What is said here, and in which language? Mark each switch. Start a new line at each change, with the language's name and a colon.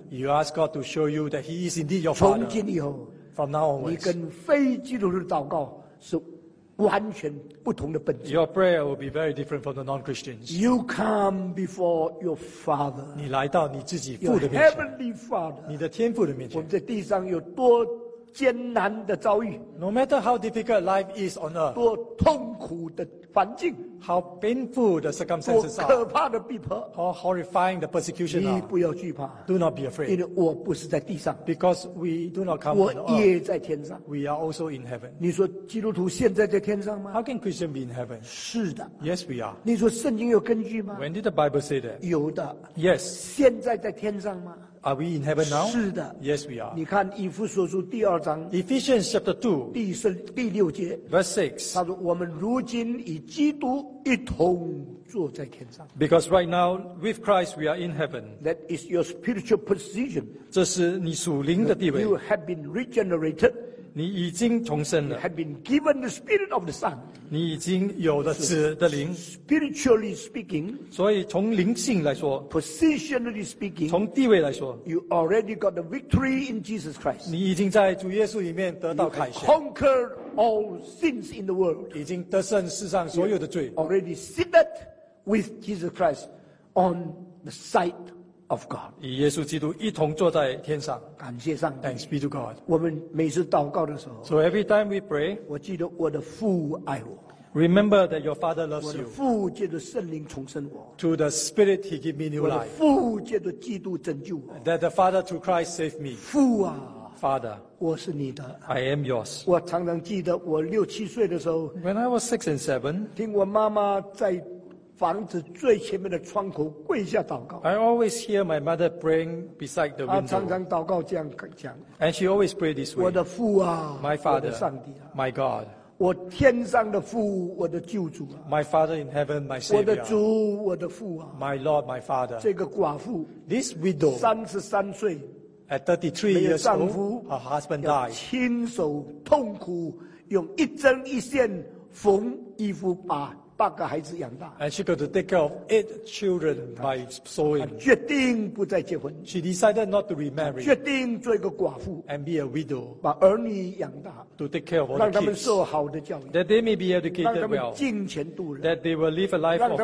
English: You ask God to show you that He is indeed your Father.
Chinese: 从今以后
English: ，From now onwards,
Chinese: 你跟非基督徒的祷告是完全不同的本质。
English: Your prayer will be very different from the non-Christians. You come before your Father.
Chinese: 你来到你自己父的面
English: 前。Your heavenly Father.
Chinese: 你的天父的面前。我们在地上有多艰难的遭遇
English: ？No matter how difficult life is on earth.
Chinese: 多痛苦的。环境
English: How painful the circumstances are.
Chinese: 多可怕的逼迫
English: How horrifying the persecution are.
Chinese: 你不要惧怕
English: Do not be afraid.
Chinese: 因为我不是在地上
English: Because we do not come from earth.
Chinese: 我也在天上
English: We are also in heaven.
Chinese: 你说基督徒现在在天上吗
English: How can Christian be in heaven?
Chinese: 是的
English: Yes, we are.
Chinese: 你说圣经有根据吗
English: When did the Bible say that?
Chinese: 有的
English: Yes.
Chinese: 现在在天上吗
English: Are we in heaven now?
Chinese: 是的
English: Yes, we are.
Chinese: 你看以弗所书第二章
English: Ephesians chapter 2
Chinese: 第六节
English: Verse 6
Chinese: 他说我们如今已基督一同坐在天上。
English: Because right now with Christ we are in heaven. That is your spiritual position.
Chinese: 这是你属灵的地位。
English: You have been regenerated.
Chinese: 你已经重生了。
English: You have been given the spirit of the Son.
Chinese: 你已经有了子的灵。
English: Spiritually speaking.
Chinese: 所以从灵性来说。
English: Positionally speaking.
Chinese: 从地位来说。
English: You already got the victory in Jesus Christ.
Chinese: 你已经在主耶稣里面得到凯旋。
English: You have conquered. All sins in the world.
Chinese: 已经得胜世上所有的罪。
English: Already seated with Jesus Christ on the side of God.
Chinese: 与耶稣基督一同坐在天上。感谢上帝。
English: Thanks be to God.
Chinese: 我们每次祷告的时候。
English: So every time we pray.
Chinese: 我记得我的父爱我。
English: Remember that your Father loves you.
Chinese: 我的父借着圣灵重生我。
English: Through the Spirit He gave me new life.
Chinese: 我的父借着基督拯救我。
English: That the Father through Christ saved me.
Chinese: 父啊。
English: Father,
Chinese: 我是你的。
English: I am yours.
Chinese: 我常常记得我六七岁的时候。
English: When I was six and seven,
Chinese: 听我妈妈在房子最前面的窗口跪下祷告。
English: I always hear my mother praying beside the window.
Chinese: 她常常祷告这样讲。
English: And she always pray this way.
Chinese: 我的父啊，
English: my father,
Chinese: 我的上帝啊，
English: my God.
Chinese: 我天上的父，我的救主啊。
English: My Father in heaven, my Savior.
Chinese: 我的主，我的父啊。
English: My Lord, my Father.
Chinese: 这个寡妇，
English: this widow,
Chinese: 33岁。
English: At 33 years old, her husband died.
Chinese: 亲手痛苦，用一针一线缝衣服，把八个孩子养大。
English: And she got to take care of 8 children by sewing.
Chinese: 决定不再结婚。
English: She decided not to remarry.
Chinese: 决定做一个寡妇。
English: And be a widow.
Chinese: 把儿女养大。
English: To take care of all the
Chinese: kids. 让他们受好的教育。
English: That they may be educated well.
Chinese: 让他们敬虔度人。
English: That they will live a life of holiness.